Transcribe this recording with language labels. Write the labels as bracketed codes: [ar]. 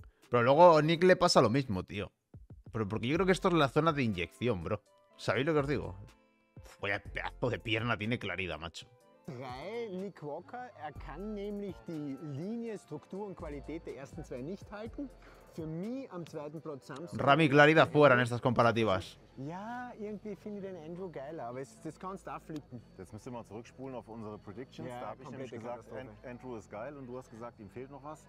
[es] Pero luego Nick le pasa lo mismo, tío. Pero porque yo creo que esto es la zona de inyección, bro. ¿Sabéis lo que os digo? Vaya pedazo de pierna tiene Claridad, macho. [de] 3 Nick Walker, er kann nämlich die Linie, Struktur und Qualität der ersten zwei nicht halten. Für mich am zweiten Platz Samson. [es] Rami Claridad fuera en estas comparativas. [de] Ja, irgendwie finde ich den Andrew geiler, aber das kannst du auch flippen. Jetzt müssen wir mal zurückspulen auf unsere Predictions. Ja, da habe ich nämlich gesagt, Andrew ist geil und du hast gesagt, ihm fehlt noch was.